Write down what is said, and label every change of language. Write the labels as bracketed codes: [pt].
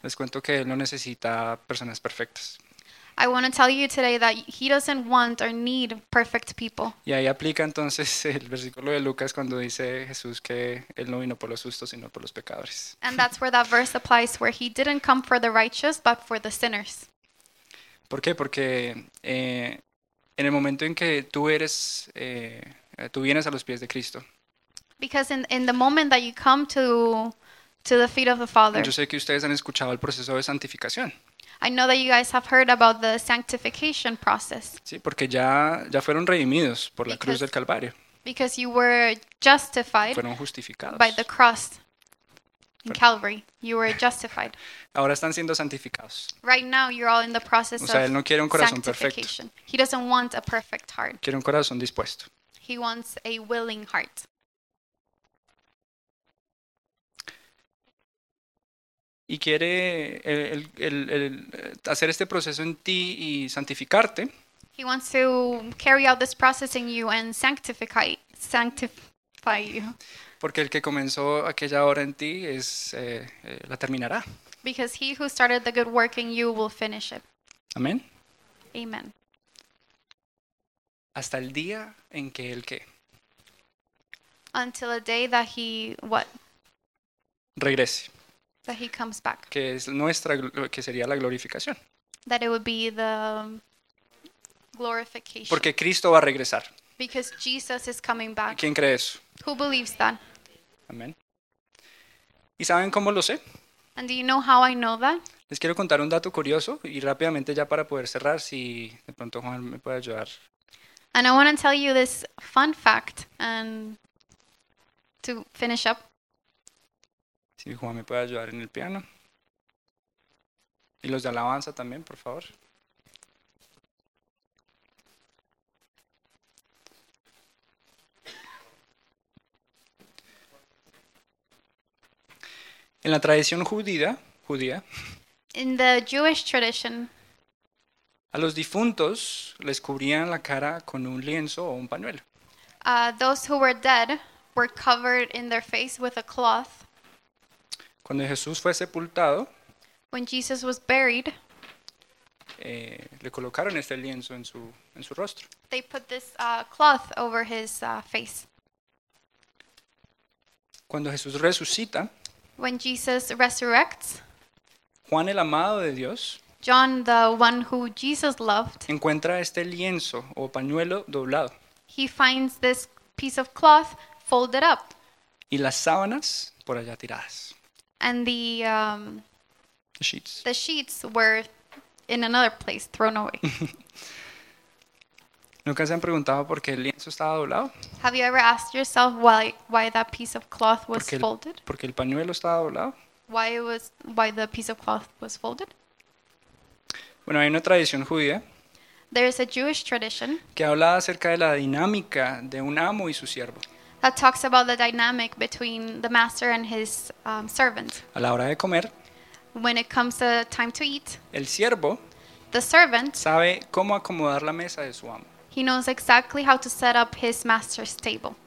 [es] Les cuento que él no necesita personas perfectas. [en] I want to tell you today that he doesn't want or need perfect people. [es] Y ahí aplica entonces el versículo de Lucas cuando dice Jesús que él no vino por los justos sino por los pecadores. [en] And that's where that verse applies, where he didn't come for the righteous but for the sinners. [es] ¿Por qué? Porque en el momento en que tú vienes a los pies de Cristo. [en] Because in the moment that you come to the feet of the Father. [es] Yo sé que ustedes han escuchado el proceso de santificación. [en] I know that you guys have heard about the sanctification process. [es] Sí, porque ya fueron redimidos por la cruz del Calvario. [en] Because you were justified. [es] Fueron justificados. [en] By the cross in Calvary. You were justified. [es] Ahora están siendo santificados. [en] Right now you're all in the process [es] of él no quiere un corazón perfecto. [en] He doesn't want a perfect heart. [es] Quiere un corazón dispuesto. [en] He wants a willing heart. [es] Y quiere el hacer este proceso en ti y santificarte. [en] He wants to carry out this process in you and sanctify you. [es] Porque el que comenzó aquella obra en ti es la terminará. [en] Because he who started the good work in you will finish it. [es] Amén. [en] Amen. [es] Hasta el día en que él qué. [en] Until a day that he what? [es] Regrese. [en] That he comes back. [es] Que es nuestra, que sería la glorificación. [en] That it would be the glorification. [es] Porque Cristo va a regresar. [en] Because Jesus is coming back. [es] ¿Quién cree eso? [en] Who believes that? [es] Amén. ¿Y saben cómo lo sé? [en] And do you know how I know that? [es] Les quiero contar un dato curioso y rápidamente ya para poder cerrar, si de pronto Juan me puede ayudar. [en] And I want to tell you this fun fact and to finish up. [es] Si Juan me puede ayudar en el piano. Y los de alabanza también, por favor. En la tradición judía, [en] in the Jewish tradition, [es] a los difuntos les cubrían la cara con un lienzo o un pañuelo. [en] Those who were dead were covered in their face with a cloth. [es] Cuando Jesús fue sepultado, [en] when Jesus was buried, [es] le colocaron este lienzo en su rostro. [en] They put this cloth over his face. [es] Cuando Jesús resucita, [en] when Jesus resurrects, [es] Juan el amado de Dios, [en] John the one who Jesus loved, [es] encuentra este lienzo o pañuelo doblado. [en] He finds this piece of cloth folded up. [es] Y las sábanas por allá tiradas. [en] And the sheets. The sheets were in another place, thrown away. [es] ¿Nunca se han preguntado por qué el lienzo estaba doblado? [en] Have you ever asked yourself why that piece of cloth was folded? [es] Porque el pañuelo estaba doblado. [en] Why the piece of cloth was folded? [es] Bueno, hay una tradición judía. [en] There is a Jewish tradition. [es] Que habla acerca de la dinámica de un amo y su siervo. [en] That talks about the dynamic between the master and his servant. [es] A la hora de comer. [en] When it comes to time to eat. [es] El siervo. [en] The servant. [es] Sabe cómo acomodar la mesa de su amo. [en] He knows exactly how to set up his master's table.